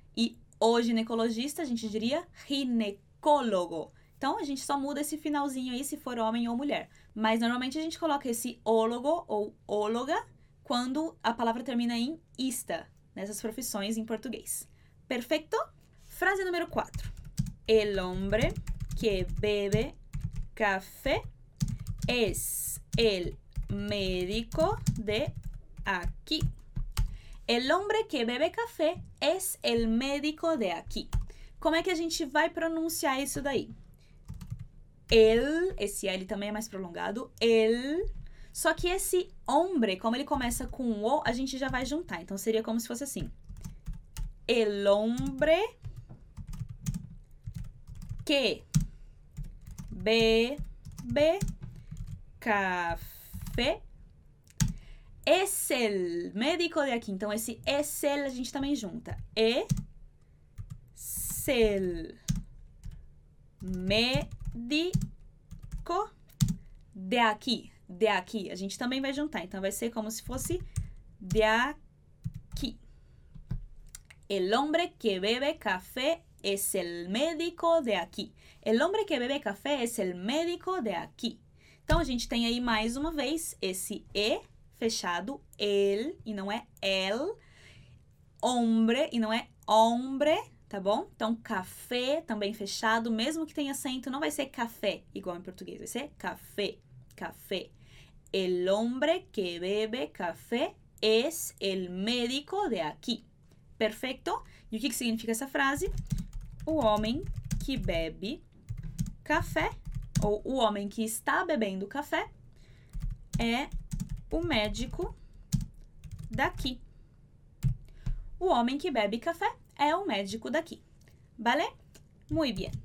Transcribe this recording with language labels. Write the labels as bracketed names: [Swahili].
[Portuguese] E o ginecologista a gente diria ginecólogo. Então, a gente só muda esse finalzinho aí se for homem ou mulher. Mas normalmente a gente coloca esse ólogo ou óloga quando a palavra termina em ista, nessas profissões em português. Perfeito? Frase número 4. [Spanish] El hombre que bebe café es el médico de aquí. El hombre que bebe café es el médico de aquí. [Portuguese] Como é que a gente vai pronunciar isso daí? El, esse L também é mais prolongado, el. Só que esse hombre, como ele começa com o, a gente já vai juntar. Então seria como se fosse assim: [Spanish] el hombre que bebe café es el médico de aquí. [Portuguese] Então esse es el a gente também junta. [Spanish] Es el médico de aqui, de aqui. [Portuguese] A gente também vai juntar, então vai ser como se fosse de aqui. [Spanish] El hombre que bebe café es el médico de aquí. El hombre que bebe café es el médico de aquí. [Portuguese] Então a gente tem aí mais uma vez esse e fechado, el, e não é el. Hombre, e não é hombre. Tá bom? Então, café também fechado, mesmo que tenha acento, não vai ser café, igual em português, vai ser café, café. [Spanish] El hombre que bebe café es el médico de aquí. [Portuguese] Perfeito? E o que que significa essa frase? O homem que bebe café, ou o homem que está bebendo café, é o médico daqui. O homem que bebe café é o médico daqui. Vale? [Spanish] Muy bien.